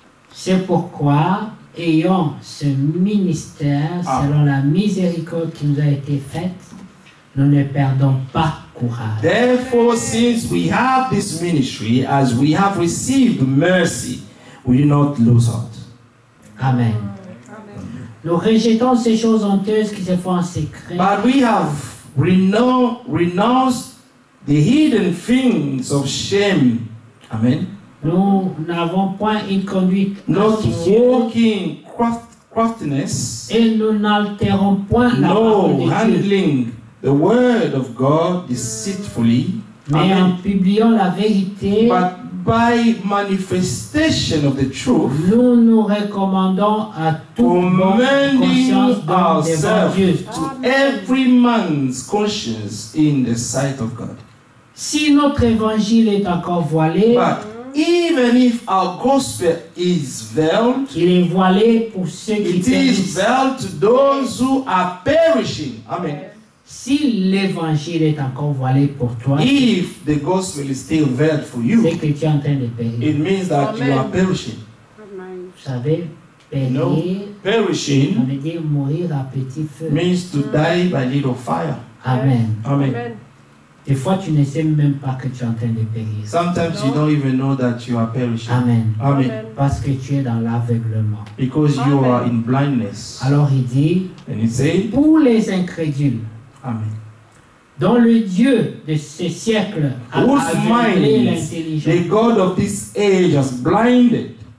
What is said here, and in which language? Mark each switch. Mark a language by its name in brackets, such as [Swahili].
[French] C'est pourquoi, ayant ce ministère, selon la miséricorde qui nous a été faite, nous ne perdons pas courage. [English] Therefore, since we have this ministry, as we have received mercy, we do not lose heart. Amen. [French] Nous rejetons ces choses honteuses qui se font en secret. [English] But we have renounced the hidden things of shame. Amen. [French] Nous n'avons point une conduite [English] not walking craftiness. [French] Et nous n'altérons point la parole de Dieu. [English] No handling the word of God deceitfully. [French] Mais en publiant la vérité. [English] But by manifestation of the truth, [French] nous nous recommandons à toute bonne conscience Dieu, [English] to every man's conscience in the sight of God. [French] Si notre évangile est encore voilé, [English] but even if our gospel is veiled, [French] il est voilé pour ceux qui perdent. [English] It is veiled to those who are perishing. Amen. [French] Si l'évangile est encore voilé pour toi, [English] if the gospel is still veiled for you, [French] c'est que tu es en train de périr. [English] It means that Amen. You are perishing. [French] Vous savez, périr, [English] no, perishing, [French] ça veut dire mourir à petit feu. [English] Means to die by little fire. Amen. Amen. [French] Des fois, tu ne sais même pas que tu es en train de périr. [English] Sometimes you don't even know that you are perishing. Amen. Amen. [French] Parce que tu es dans l'aveuglement. [English] Because you are in blindness. [French] Alors il dit, [English] and he say, [French] pour les incrédules. [English] Amen. [French] Dans le Dieu de ce siècle, [English] whose mind the God of this age has blinded,